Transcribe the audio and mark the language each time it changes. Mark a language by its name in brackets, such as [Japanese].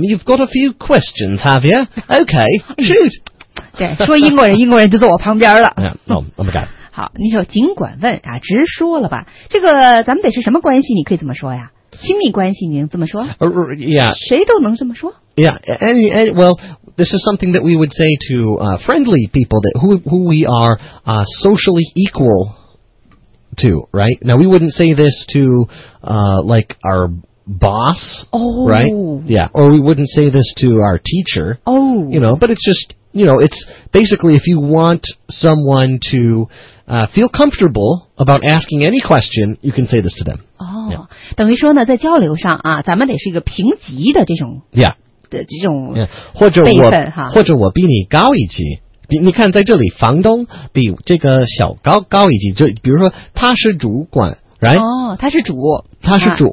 [English] You've got a few questions, have you? Okay, shoot. [Chinese] 对，说英国人，英国人就坐我旁边了。 [English] Yeah, oh my God. [Chinese] 好，你说尽管问啊，直说了吧。这个咱们得是什么关系？你可以这么说呀，亲密关系，你能这么说？ [English] Yeah. [Chinese] 谁都能这么说。 [English] Yeah, and well, this is something that we would say to friendly people that who we are socially equal to, right? Now, we wouldn't say this to, like, our boss, right? Yeah, or we wouldn't say this to our teacher. Oh. You know, but it's just, you know, it's basically if you want someone to feel comfortable about asking any question, you can say this to them. Oh, yeah. [Chinese] 等于说呢，在交流上啊，咱们得是一个平级的这种。 [English] Yeah. [Chinese] 这种或者我比你高一级，比你看在这里房东比这个小高一级，就比如说他是主管 right 哦，他是主，他是主，